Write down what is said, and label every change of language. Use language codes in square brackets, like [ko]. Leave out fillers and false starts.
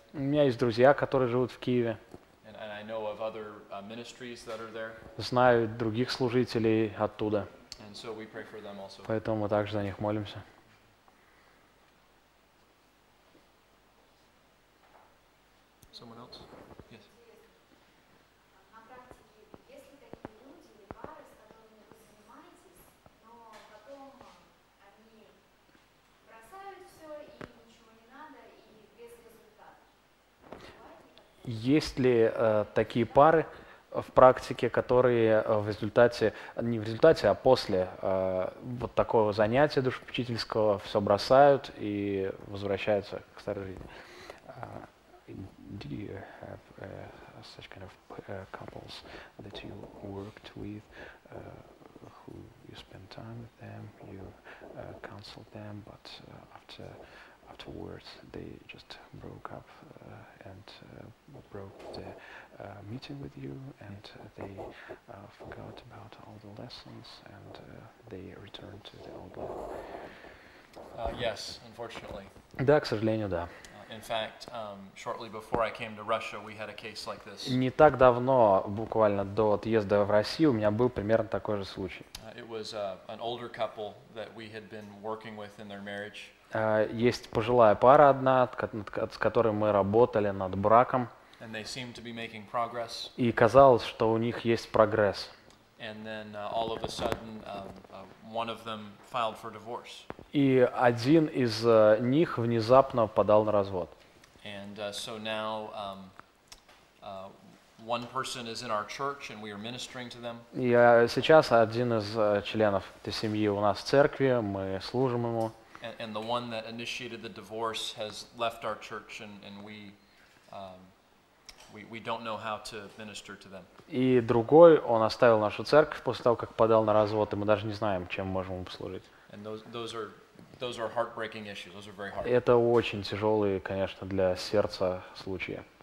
[ru] У меня есть друзья, которые живут в Киеве. [en] And I know of other ministries that are there. [ru] Знаю других служителей оттуда. [en] And so we pray for them also. [ru] Поэтому мы также за них молимся. [en] Someone else? [ru] Есть ли такие пары в практике, которые в результате, не в результате, а после вот такого занятия душепечительского все бросают и возвращаются к старой жизни? [en] Do you have such kind of couples that you worked with, who you spend time with them, you counsel them, but afterwards they just broke up and broke the meeting with you, and they forgot about all the lessons, and they returned to the old life. Yes, unfortunately. [ru] Да, к сожалению, да. [en] In fact, shortly before I came to Russia, we had a case like this. [ru] Не так давно, буквально до отъезда в Россию, у меня был примерно такой же случай. [en] It was an older couple that we had been working with in their marriage. [ru] Есть пожилая пара одна, с которой мы работали над браком. [en] And they seemed to be making progress. [ru] И казалось, что у них есть прогресс. [en] And then all of a sudden, one of them filed for divorce. [ru] И один из них внезапно подал на развод. [en] And so now one person is in our church, and we are ministering to them. [ru] И сейчас один из членов этой семьи у нас в церкви, мы служим ему. [en] And the one that initiated the divorce has left our church, and we. We don't know how to minister to them. [ru] И другой, он оставил нашу церковь после того, как подал на развод, и мы даже не знаем, чем можем ему послужить. [en] And those are heartbreaking issues. Those are very hard. [ru] Это очень тяжелые, конечно, для сердца случаи.